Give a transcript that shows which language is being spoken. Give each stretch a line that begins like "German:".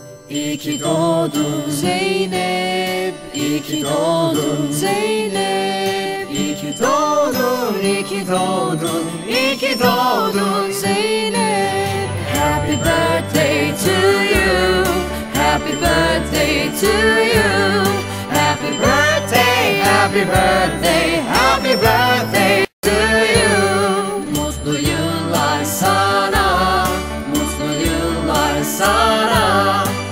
Turkish: İyi ki doğdun Zeynep, iyi ki doğdun Zeynep, iyi ki doğdun, iyi ki doğdun, iyi ki doğdun Zeynep.
English: Happy birthday to you, happy birthday to you, happy birthday, happy birthday, happy birthday to you.
Turkish: Mutlu yıllar sana, mutlu yıllar sana.